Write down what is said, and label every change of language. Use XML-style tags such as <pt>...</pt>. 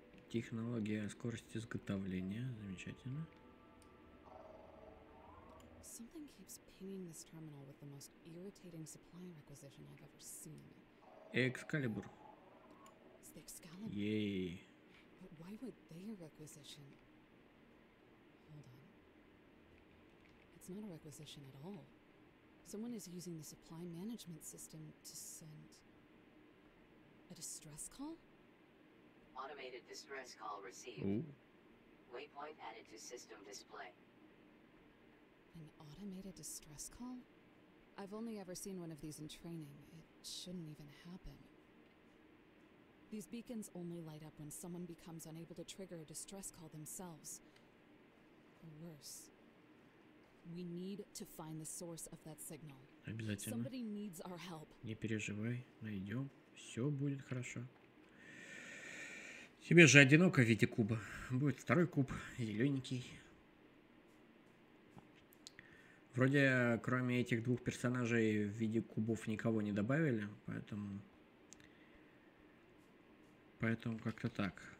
<ru>Технология скорости изготовления. Замечательно.</ru> <en>Something keeps pinging this terminal with the most irritating supply requisition I've ever seen. Excalibur. Excalibur. Yay. But why would they requisition? Hold on. It's not a requisition at all. Someone is using the supply management system to send a distress call? Automated distress call received. Ooh. Waypoint added to system display. An automated distress call? I've only ever seen one of these in training. It shouldn't even happen. These beacons only light up when someone becomes unable to trigger a distress call themselves. Or worse. We need to find the source of that signal.</en> <ru>Обязательно.</ru> <en>Somebody needs our help.</en> <ru>Не переживай, найдем. Все будет хорошо. Тебе же одиноко в виде куба. Будет второй куб, зелененький. Вроде, кроме этих двух персонажей, в виде кубов никого не добавили, поэтому как-то так.</ru>